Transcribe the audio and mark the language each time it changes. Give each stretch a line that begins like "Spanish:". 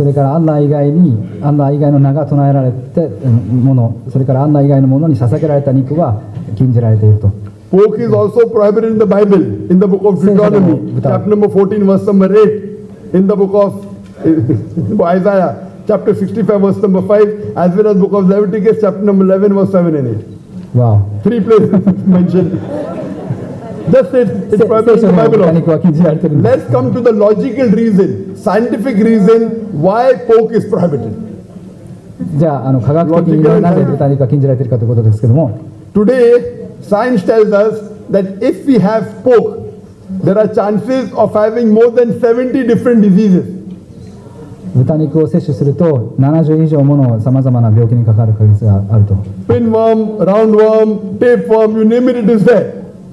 Japanese: それからアッラー以外にアッラー以外の名が唱えられてもの、それからアッラー以外のものに捧げられた肉は禁じられていると。
English: Pork is also prohibited in the Bible, in the book of Deuteronomy, chapter number 14, verse number 8, in the book of Isaiah, chapter 65, verse number 5, as well as book of Leviticus, chapter number 11, verse 7 and 8. Wow. Three places mentioned. Just it, it's prohibited in the Bible. Let's come to the logical reason, scientific reason, why pork is prohibited.
Japanese: じゃあ、科学的になぜ豚肉が禁じられているかということですけども。
English: Today, science tells us that if we have pork, there are chances of having more than 70 different diseases.
Japanese: 豚肉を摂取すると70以上ものさまざまな病気にかかる可能性があると。
English: Pinworm, roundworm, tapeworm, you name it, it is there.